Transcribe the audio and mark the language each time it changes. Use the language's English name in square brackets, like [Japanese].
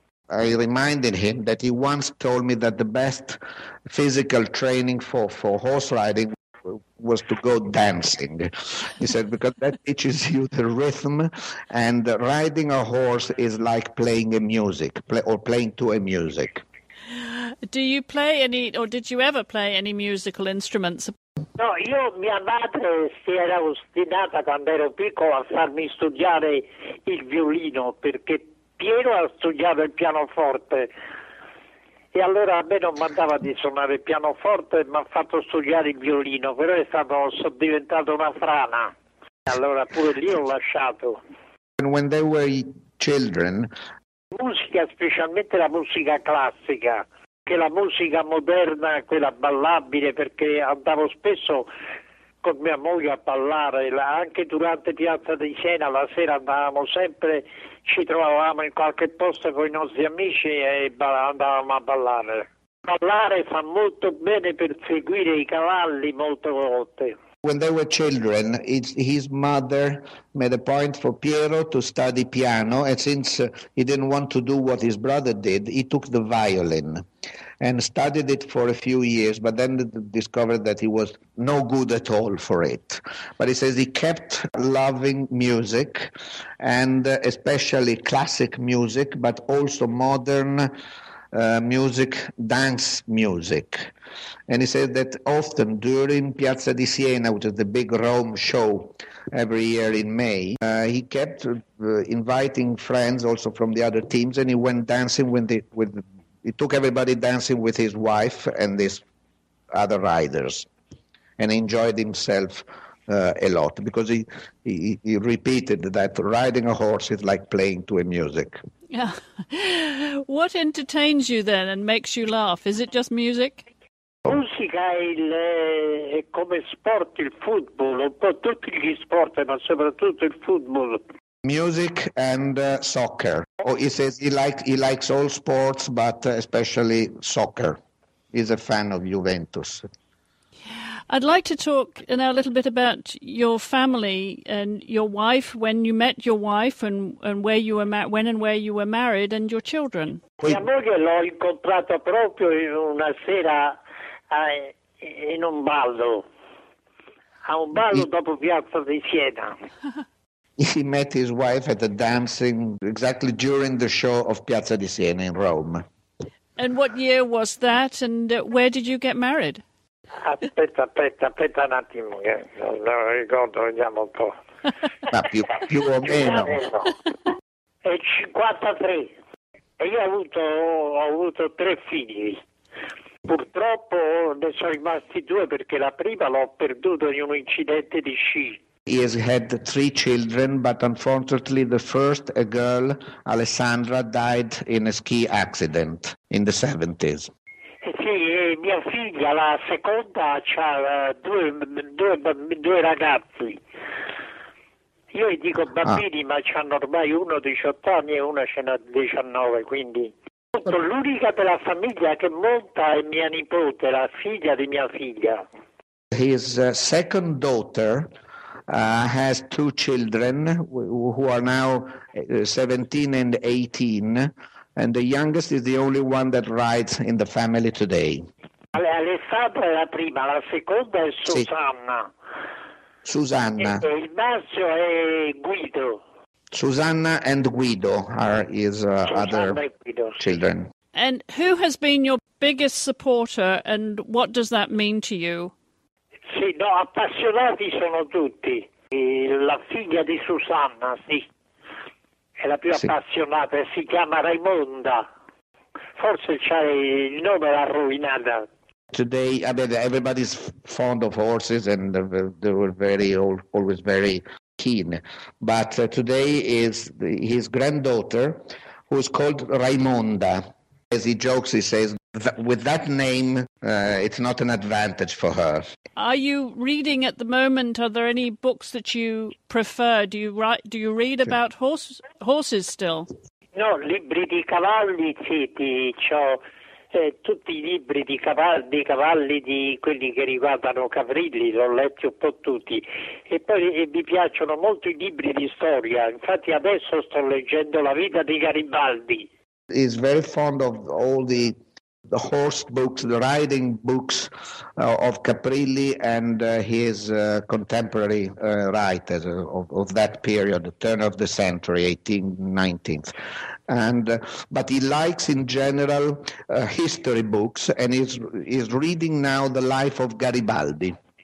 [English] I reminded him that he once told me that the best physical training for horse riding was to go dancing. He said, because that teaches you the rhythm, and riding a horse is like playing a music, or playing to a music. Do you play any, or did you ever play any musical instruments? [Italian] No, io mia madre si era ostinata quando ero piccolo a farmi studiare il violino, perché Piero studiava il pianoforte. E allora a me non mandava di suonare il pianoforte, mi ha fatto studiare il violino, però è stato, sono diventato una frana. E allora pure lì ho lasciato. [English] And when they were children... [Italian] Musica, specialmente la musica classica, che la musica moderna, quella ballabile, perché andavo spesso con mia moglie a ballare, anche durante Piazza di Siena, la sera andavamo sempre, ci trovavamo in qualche posto con i nostri amici e andavamo a ballare. Ballare fa molto bene per seguire i cavalli molte volte. [English] When they were children, his mother made a point for Piero to study piano, and since he didn't want to do what his brother did, he took the violin and studied it for a few years, but then discovered that he was no good at all for it. But he says he kept loving music, and especially classic music, but also modern music, dance music. And he said that often during Piazza di Siena, which is the big Rome show every year in May, he kept inviting friends also from the other teams, and he went dancing he took everybody dancing with his wife and these other riders, and enjoyed himself a lot, because he repeated that riding a horse is like playing to a music. Yeah. What entertains you then and makes you laugh? Is it just music? [Italian] Musica è come sport, il football, un po' tutti gli sport, ma soprattutto il football. [English] Music and soccer. Oh, he says he likes all sports, but especially soccer. He's a fan of Juventus. I'd like to talk now a little bit about your family and your wife, when you met your wife and where you were married and your children. [Italian] Mia moglie l'ho incontrata proprio una sera in un ballo. A un ballo dopo Piazza di Siena. [English] He met his wife at the dancing exactly during the show of Piazza di Siena in Rome. And what year was that, and where did you get married? [Italian] Aspetta un attimo, non lo ricordo, vediamo un po'. Ma più o meno. È 53, e io ho avuto tre figli. Purtroppo ne sono rimasti due, perché la prima l'ho perduto in un incidente di sci. [English] He has had three children, but unfortunately the first, a girl, Alessandra, died in a ski accident in the 70s. [Italian] Sì, mia figlia, la seconda, ha due ragazzi. Io gli dico bambini, ma c'hanno ormai uno 18 anni e una ce n'ha 19, quindi... L'unica della famiglia che monta è mia nipote, la figlia di mia figlia. [English] His second daughter... has two children who are now 17 and 18, and the youngest is the only one that rides in the family today. [Italian] Alessandra è la prima, la seconda è Susanna. Sì. Susanna. E il maschio è Guido. [English] Susanna and Guido are his other Guido, children. And who has been your biggest supporter, and what does that mean to you? [Italian] Sì, no, appassionati sono tutti. La figlia di Susanna, sì, è la più appassionata, si chiama Raimonda. Forse c'hai il nome l'ha rovinata. [English] Today, I mean, everybody's fond of horses, and they were always very keen. But today is his granddaughter, who's called Raimonda. As he jokes, he says, with that name, it's not an advantage for her. Are you reading at the moment? Are there any books that you prefer? Do you read about horses still? [Italian] No, libri di cavalli, sì, tutti i libri di cavalli, di quelli che riguardano Cavrilli, l'ho letti un po' tutti. E poi mi piacciono molto i libri di storia. Infatti adesso sto leggendo La vita di Garibaldi. [English] He's very fond of all the the horse books, the riding books of Caprilli and his contemporary writers of that period, the turn of the century, 18th, 19th. But he likes in general history books, and is reading now The Life of Garibaldi.